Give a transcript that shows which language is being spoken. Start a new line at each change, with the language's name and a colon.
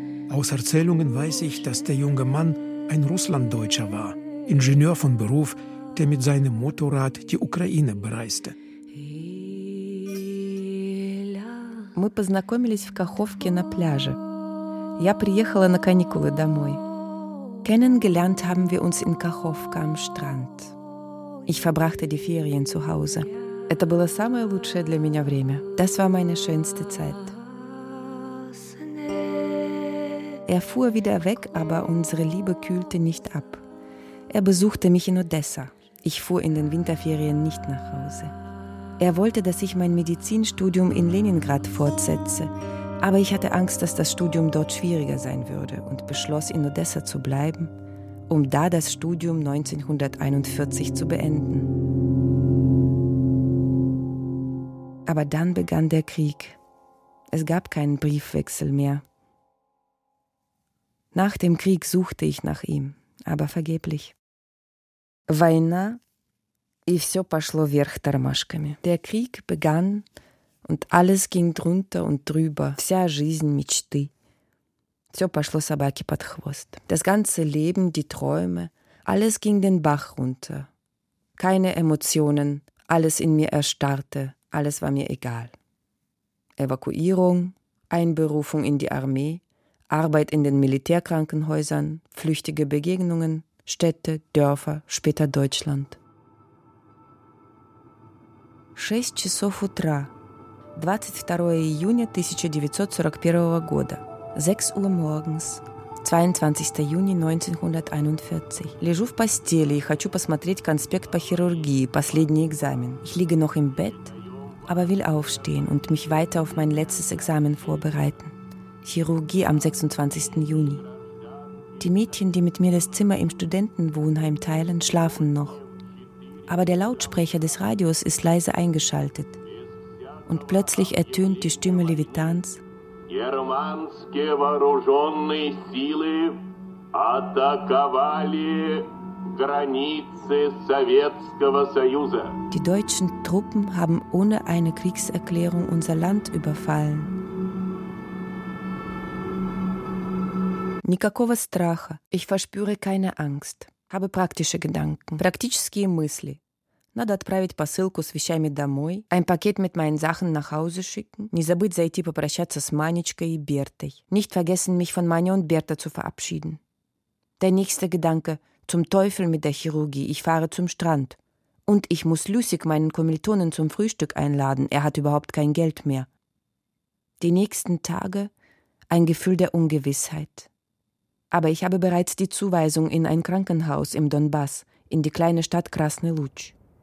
German: Aus Erzählungen weiß ich, dass der junge Mann ein Russlanddeutscher war, Ingenieur von Beruf, der mit seinem Motorrad die Ukraine bereiste.
Russian: Мы познакомились в Каховке на пляже. Я приехала на каникулы домой.
German: Kennengelernt haben wir uns in Kachowka am Strand. Ich verbrachte die Ferien zu Hause.
Russian: Это было самое лучшее для меня время.
German: Das war meine schönste Zeit. Er fuhr wieder weg, aber unsere Liebe kühlte nicht ab. Er besuchte mich in Odessa. Ich fuhr in den Winterferien nicht nach Hause. Er wollte, dass ich mein Medizinstudium in Leningrad fortsetze, aber ich hatte Angst, dass das Studium dort schwieriger sein würde und beschloss, in Odessa zu bleiben, um da das Studium 1941 zu beenden. Aber dann begann der Krieg. Es gab keinen Briefwechsel mehr. Nach dem Krieg suchte ich nach ihm, aber vergeblich.
Russian: Война, и все пошло вверх тормашками.
German: Der Krieg begann und alles ging drunter und drüber.
Russian: Вся жизнь мечты. Все пошло собаке под хвост.
German: Das ganze Leben, die Träume, alles ging den Bach runter. Keine Emotionen, alles in mir erstarrte, alles war mir egal. Evakuierung, Einberufung in die Armee, Arbeit in den Militärkrankenhäusern, flüchtige Begegnungen, Städte, Dörfer, später Deutschland.
Russian: 6 часов утра, 22 июня 1941 года.
German: 6 Uhr morgens, 22 Juni 1941.
Russian: Лежу в постели и хочу посмотреть конспект по хирургии, последний экзамен.
German: Ich liege noch im Bett, aber will aufstehen und mich weiter auf mein letztes Examen vorbereiten. Chirurgie am 26. Juni. Die Mädchen, die mit mir das Zimmer im Studentenwohnheim teilen, schlafen noch. Aber der Lautsprecher des Radios ist leise eingeschaltet. Und plötzlich ertönt die Stimme Levitans.
Russian: Германские вооруженные силы атаковали границы Советского Союза.
German: Die deutschen Truppen haben ohne eine Kriegserklärung unser Land überfallen.
Russian: Никакого страха.
German: Ich verspüre keine Angst. Habe praktische Gedanken.
Russian: Практические мысли. Надо отправить посылку с вещами домой.
German: Ein Paket mit meinen Sachen nach Hause schicken.
Russian: Не забыть зайти попрощаться с Манечкой и Бертой.
German: Nicht vergessen, mich von Маня und Берта zu verabschieden. Der nächste Gedanke. Zum Teufel mit der Chirurgie. Ich fahre zum Strand. Und ich muss Lüssig, meinen Kommilitonen, zum Frühstück einladen. Er hat überhaupt kein Geld mehr. Die nächsten Tage. Ein Gefühl der Ungewissheit. Aber ich habe bereits die Zuweisung in ein Krankenhaus im Donbass, in die kleine Stadt Krasny Lutsch.